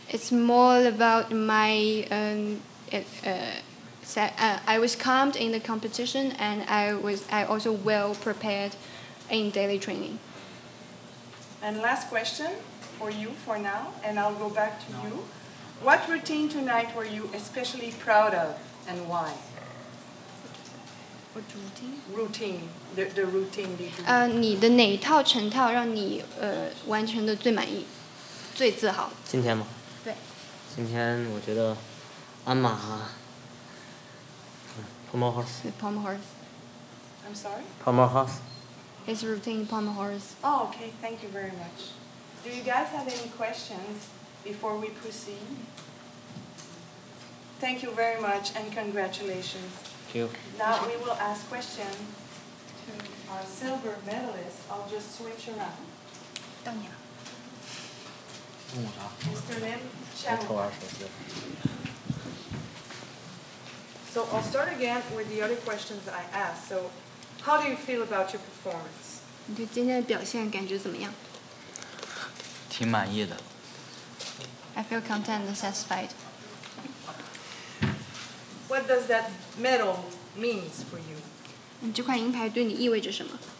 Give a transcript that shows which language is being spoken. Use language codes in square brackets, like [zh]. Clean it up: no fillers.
[en] more about my I was calm in the competition and I also well prepared in daily training. And last question for you for now, and I'll go back to you. What routine tonight were you especially proud of, and why? What routine? Routine, the routine did you do? [zh] 你的哪一套成套让你完成的最满意，最自豪？今天吗？对。今天我觉得鞍马， pommel horse. [en] The pommel horse. I'm sorry? Pommel horse. His routine pommel horse. Oh, okay. Thank you very much. Do you guys have any questions before we proceed? Thank you very much and congratulations. Thank you. Now we will ask questions to our silver medalist. I'll just switch around. Tanya. Mr. Lin Chaopan. So I'll start again with the other questions I asked. So how do you feel about your performance? [zh] 你对今天的表现感觉怎么样? 挺满意的。 [en] I feel content and satisfied. What does that medal mean for you? [zh] 你这块银牌对你意味着什么?